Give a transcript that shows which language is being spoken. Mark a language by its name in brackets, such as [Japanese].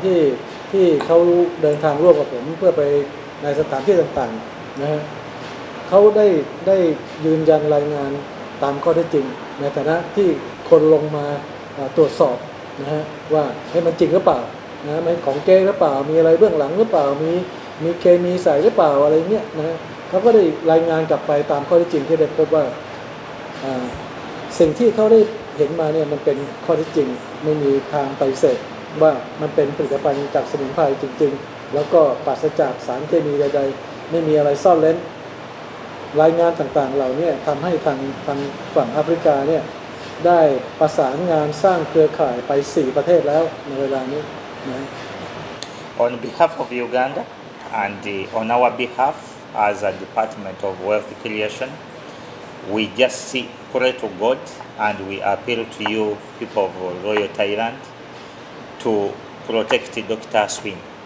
[English] Because every day that he traveled along with me to go. [Thai] ในสถานที่ต่างๆนะฮะเขาได้ยืนยันรายงานตามข้อเท็จจริงในฐานะที่คนลงมาตรวจสอบนะฮะว่าให้มันจริงหรือเปล่านะมันของเก๊หรือเปล่ามีอะไรเบื้องหลังหรือเปล่ามีเคมีใส่หรือเปล่าอะไรเงี้ยนะเขาก็ได้รายงานกลับไปตามข้อเท็จจริงที่ได้พบว่า สิ่งที่เขาได้เห็นมาเนี่ยมันเป็นข้อเท็จจริงไม่มีทางไปเสกว่ามันเป็นผลิตภัณฑ์จากสมุนไพรจริงๆแล้วก็ปราศจากสารเคมีใดๆไม่มีอะไรซ่อนเร้นรายงานต่างๆเหล่านี้ทำให้ทางฝั่งแอฟริกาเนี่ยได้ประสานงานสร้างเครือข่ายไป4ประเทศแล้วในเวลานี้นะ [English] On behalf of Uganda and on our behalf as a Department of Wealth Creation we just pray to God and we appeal to you people of Royal Thailand to protect Dr. Aswin.